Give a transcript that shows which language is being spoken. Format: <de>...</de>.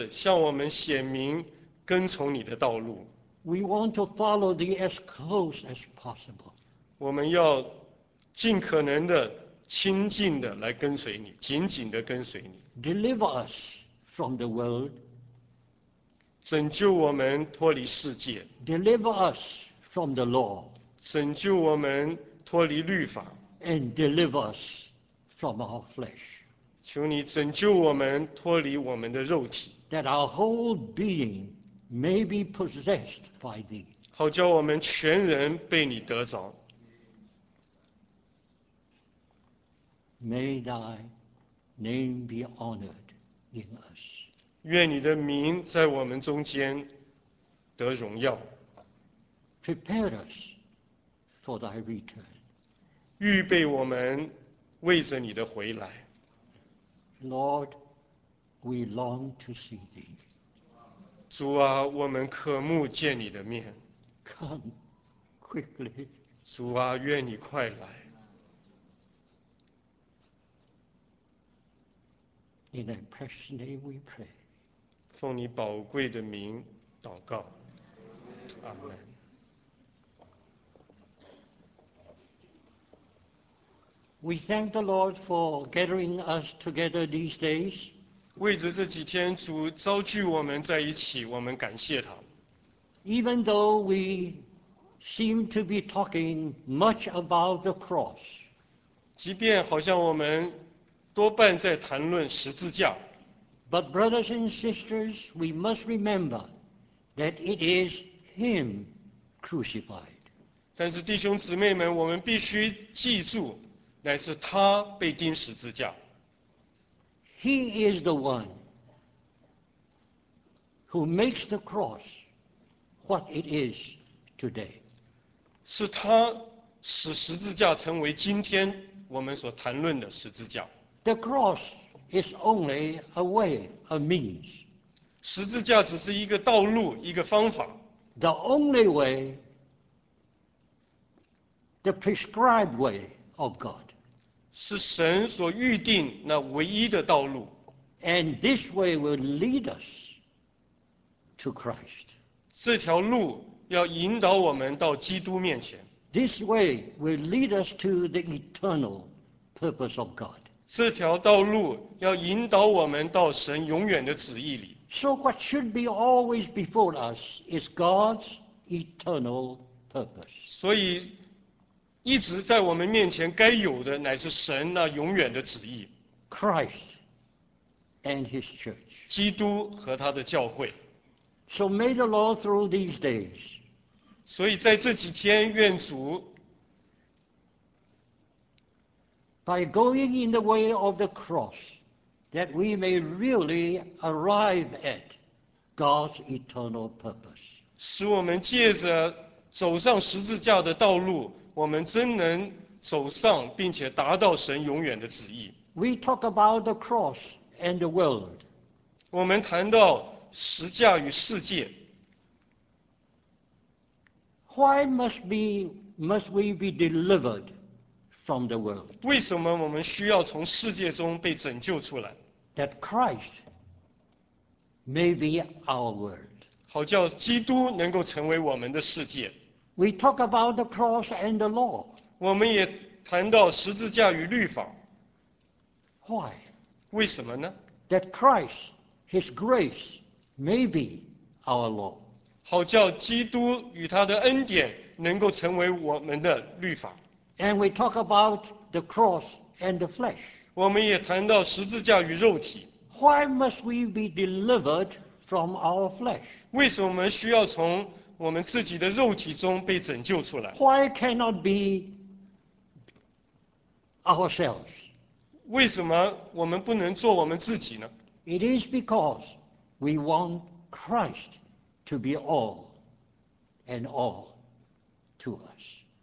<zh>主啊，求你再一次向我们显明跟从你的道路。</zh> <en>We want to follow thee as close as possible.</en> <zh>我们要尽可能的亲近的来跟随你，紧紧的跟随你。</zh> <en>Deliver us from the world.</en> <zh>拯救我们脱离世界。</zh> <en>Deliver us from the law.</en> <zh>拯救我们脱离律法。</zh> <en>And deliver us from our flesh.</en> <zh>求你拯救我们脱离我们的肉体。</zh> <en>That our whole being may be possessed by thee.</en> <zh>好叫我们全人被你得着。</zh> <en>May thy name be honored in us.</en> <zh>愿你的名在我们中间得荣耀。</zh> <en>Prepare us for thy return.</en> <zh>预备我们为着你的回来。</zh> <en>Lord, we long to see thee.</en> <zh>主啊，我们渴慕见你的面。</zh> <en>Come quickly.</en> <zh>主啊，愿你快来。</zh> <en>In thy precious name we pray.</en> <zh>奉你宝贵的名祷告。阿门。</zh> <en>We thank the Lord for gathering us together these days.</en> <zh>为着这几天主召聚我们在一起，我们感谢他。</zh> <en>Even though we seem to be talking much about the cross,</en> <zh>即便好像我们多半在谈论十字架。</zh> <en>But brothers and sisters, we must remember that it is Him crucified.</en> <zh>但是弟兄姊妹们，我们必须记住，乃是他被钉十字架。</zh> <en>He is the one who makes the cross what it is today.</en> <zh>是他使十字架成为今天我们所谈论的十字架。</zh> <en>The cross is only a way, a means.</en> <zh>十字架只是一个道路，一个方法。</zh> <en>The only way, the prescribed way of God.</en> <zh>是神所预定那唯一的道路。</zh> <en>And this way will lead us to Christ.</en> <zh>这条路要引导我们到基督面前。</zh> <en>This way will lead us to the eternal purpose of God.</en> <zh>这条道路要引导我们到神永远的旨意里。</zh> <en>So what should be always before us is God's eternal purpose.</en> <zh>所以，一直在我们面前该有的乃是神那永远的旨意。</zh> <en>Christ and His church.</en> <zh>基督和他的教会。</zh> <en>So may the Lord through these days.</en> <zh>所以在这几天，愿主。</zh> <en>By going in the way of the cross, that we may really arrive at God's eternal purpose.</en> <zh>使我们借着走上十字架的道路，我们真能走上并且达到神永远的旨意。</zh> <en>We talk about the cross and the world.</en> <zh>我们谈到十字架与世界。</zh> <en>Why must we be delivered? From the world.</en> <zh>为什么我们需要从世界中被拯救出来</zh> <en>？That Christ may be our world.</en> <zh>好叫基督能够成为我们的世界。</zh> <en>We talk about the cross and the law.</en> <zh>我们也谈到十字架与律法。</zh> <en>Why?</en> <zh>为什么呢</zh> <en>？That Christ, His grace, may be our law.</en> <zh>好叫基督与他的恩典能够成为我们的律法。</zh> <en>And we talk about the cross and the flesh.</en> <zh>我们也谈到十字架与肉体。</zh> <en>Why must we be delivered from our flesh?</en> <zh>为什么我们需要从我们自己的肉体中被拯救出来</zh> <en>？Why cannot be ourselves?</en> <zh>为什么我们不能做我们自己呢</zh> <en>？It is because we want Christ to be all and all to us.</en>